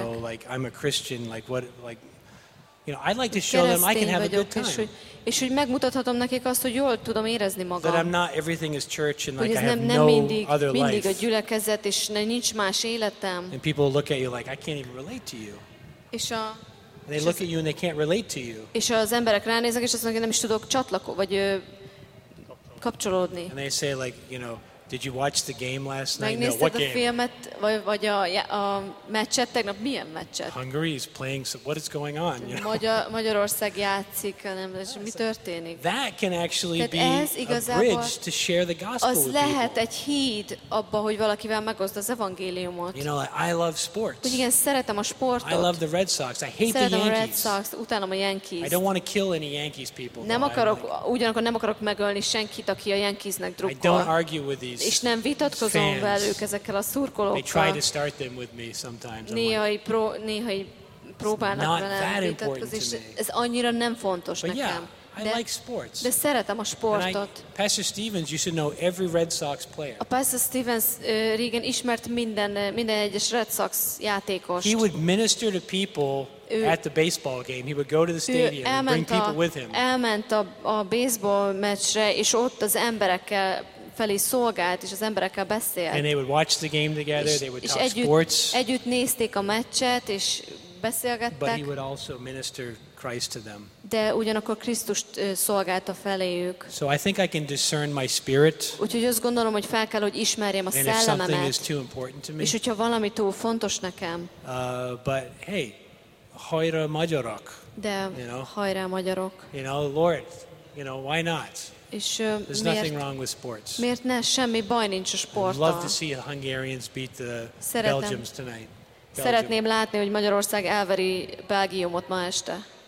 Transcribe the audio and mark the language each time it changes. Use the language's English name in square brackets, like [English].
[English] You know, like I'm a Christian, like what, like. You know, I'd like to show them I can have a good time. [Hungarian] És hogy megmutathatom nekik azt, hogy jól tudom érezni magam. [English] That I'm not everything is church and like I have no other life. [Hungarian] Mindig a gyülekezet és nincs más életem. [English] And people look at you like I can't even relate to you. [Hungarian] És a [English] and they look at you and they can't relate to you. [Hungarian] És az emberek ránéznek és azt mondják, nem is tudok csatlakozni vagy kapcsolódni. [English] And they say like, you know, did you watch the game last night? No, what game? [Hungarian] Filmet, vagy a meccset tegnap, milyen meccset? [English] Hungary is playing, so what is going on? You know? [Hungarian] Magyarország játszik, nem, és mi történik? [English] That can actually [Hungarian] tehát [English] be a bridge to share the gospel [Hungarian] az [English] with [Hungarian] lehet [English] people. [Hungarian] Egy híd abba, hogy valakivel megoszd az evangéliumot. [English] You know, like, I love sports. [Hungarian] Hogy igen, szeretem a sportot. [English] I love the Red Sox. I hate [Hungarian] szeretem [English] the Yankees. [Hungarian] A Red Sox, utánom a Yankees. [English] I don't want to kill any Yankees people. [Hungarian] Nem akarok, like, ugyanakkor nem akarok megölni senkit, aki a Yankeesnek drukkol. [English] I don't argue with these. [Hungarian] És nem vitatkozom [English] fans [Hungarian] velük ezekkel a szurkolókkal. [English] They try to start them with me sometimes. [Hungarian] Néha próbálnak velem vitatkozni. Ez annyira nem fontos [English] but [Hungarian] nekem. [English] Yeah, I like sports. [Hungarian] De szeretem a sportot. [English] I, Pastor Stevens used to know every Red Sox player. [Hungarian] A Pastor Stevens régen ismert minden egyes Red Sox játékost. [English] He would minister to people at the baseball game. He would go to the stadium and bring people with him. [Hungarian] Elment a baseball meccsre, és ott az emberekkel felé szolgált, és az emberekkel beszélt. [English] And they would watch the game together. They would talk sports. [Hungarian] Együtt nézték a meccset, és beszélgettek. [English] But he would also minister Christ to them. [Hungarian] De ugyanakkor Krisztust szolgálta feléjük. [English] So I think I can discern my spirit. [Hungarian] Úgyhogy azt gondolom, hogy fel kell, hogy ismerjem a szellemet. [English] And if something is too important to me. [Hungarian] És hogyha valami túl fontos nekem. [English] But hey, [Hungarian] hajrá magyarok. De hajrá magyarok. [English] You know, Lord, you know, why not? [Hungarian] És [English] there's nothing wrong with sports. [Hungarian] Miért ne, semmi baj nincs a sporttal. [English] I'd love to see the Hungarians beat the Belgians tonight. [Hungarian] Szeretném látni, hogy Magyarország elveri Belgiumot ma este.